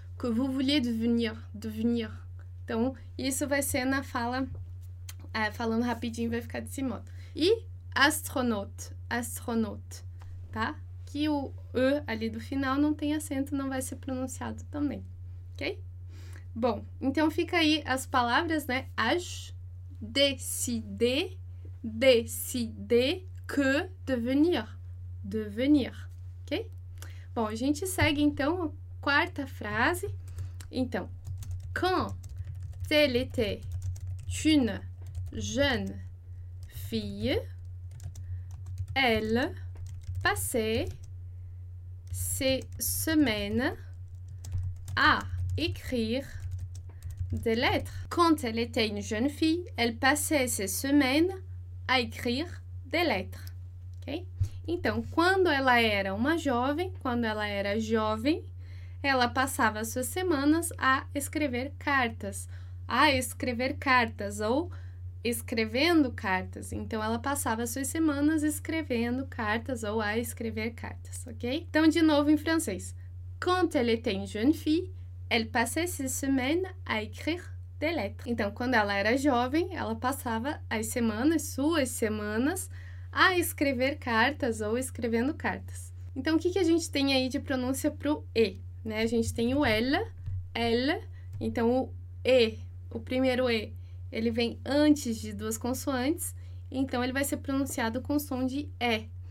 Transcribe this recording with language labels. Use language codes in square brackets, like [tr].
[fr] Que vous vouliez devenir, devenir. [pt] Então, isso vai ser na fala, falando rapidinho, vai ficar desse modo. E astronaut, astronaut, tá? Que o E ali do final não tem acento, não vai ser pronunciado também, ok? Bom, então fica aí as palavras, né? [fr] Age, décider, décider que devenir, devenir, ok? [pt] Bom, a gente segue então a quarta frase. [fr] Então, quand elle était une jeune fille, elle passait ses semaines à écrire des lettres. Quand elle était une jeune fille, elle passait ses semaines à écrire des lettres. Okay? [pt] Então, quando ela era uma jovem, quando ela era jovem, ela passava suas semanas a escrever cartas. A escrever cartas ou escrevendo cartas. Então, ela passava suas semanas escrevendo cartas ou a escrever cartas, ok? Então, de novo em francês. [fr] Quand elle était une jeune fille, elle passait ses semaines à écrire des lettres. [pt] Então, quando ela era jovem, ela passava as semanas, suas semanas, a escrever cartas ou escrevendo cartas. Então, o que que a gente tem aí de pronúncia para o E? Né? A gente tem o elle, elle, então o E. O primeiro E, ele vem antes de duas consoantes, então ele vai ser pronunciado com som de E.